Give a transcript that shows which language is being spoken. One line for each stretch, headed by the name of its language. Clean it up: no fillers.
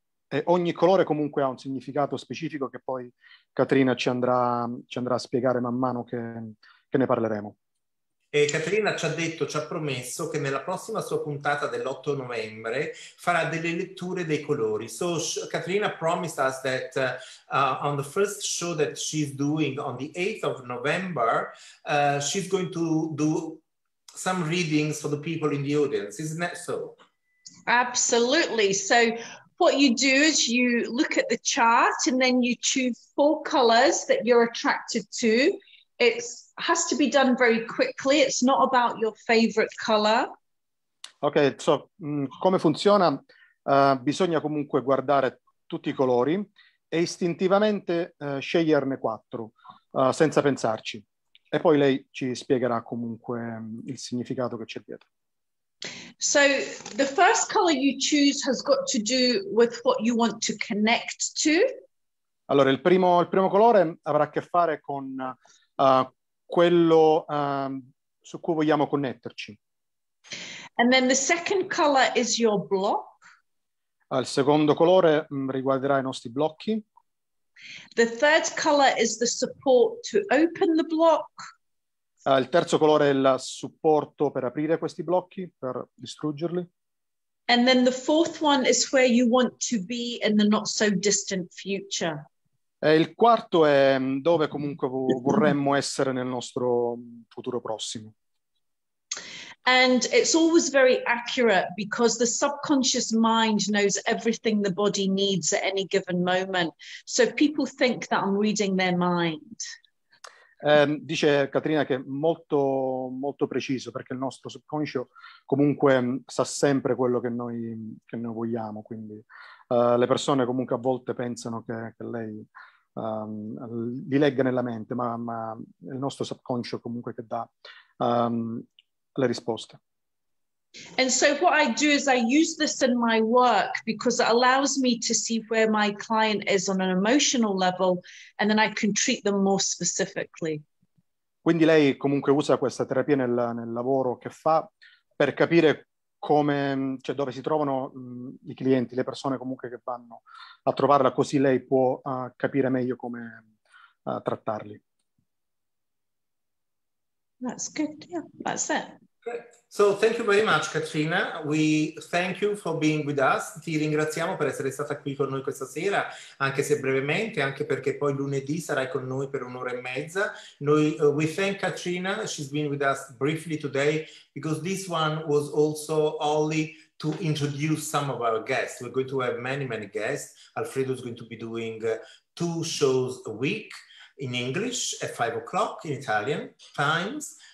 Italian: E ogni colore comunque ha un significato specifico che poi Katrina ci andrà a spiegare man mano che ne parleremo. E Katrina ci ha detto, ci ha promesso che nella prossima sua puntata dell'8 novembre farà delle letture dei colori.
English: So Katrina promised us that on the first show that she's doing on the 8th of November, she's going to do some readings for the people in the audience. Isn't that so? Absolutely. So what you do is you look at the chart and then you choose four colors that you're attracted to. It has to be done very quickly. It's not about your favorite color.
Italian: Okay, so come funziona? Bisogna comunque guardare tutti i colori e istintivamente sceglierne quattro, senza pensarci. E poi lei ci spiegherà comunque il significato che c'è dietro.
English: So the first color you choose has got to do with what you want to connect to.
Italian: Allora, il primo colore avrà a che fare con quello su cui vogliamo connetterci.
English: And then the second color is your block.
Italian: Il secondo colore riguarderà i nostri blocchi.
English: The third color is the support to open the block.
Italian: Il terzo colore è il supporto per aprire questi blocchi, per distruggerli.
English: And then the fourth one is where you want to be in the not so distant future.
Italian: E il quarto è dove comunque vorremmo essere nel nostro futuro prossimo.
English: And it's always very accurate because the subconscious mind knows everything the body needs at any given moment. So people think that I'm reading their mind.
Italian: Dice Katrina che è molto, molto preciso, perché il nostro subconscio comunque sa sempre quello che noi vogliamo. Quindi le persone comunque a volte pensano che lei li legga nella mente, ma il nostro subconscio comunque che dà le risposte.
English: And so what I do is I use this in my work because it allows me to see where my client is on an emotional level and then I can treat them more specifically.
Italian: Quindi lei comunque usa questa terapia nel lavoro che fa per capire come, cioè dove si trovano i clienti, le persone comunque che vanno a trovarla, così lei può capire meglio come trattarli.
English: That's good, yeah, that's it. So thank you very much, Katrina. We thank you for being with us.
Italian: Ti ringraziamo per essere stata qui con noi questa sera, anche se brevemente, anche perché poi lunedì sarai con noi per un'ora e mezza.
English: We thank Katrina. She's been with us briefly today because this one was also only to introduce some of our guests. We're going to have many, many guests. Alfredo is going to be doing two shows a week in English at 5 o'clock in Italian times.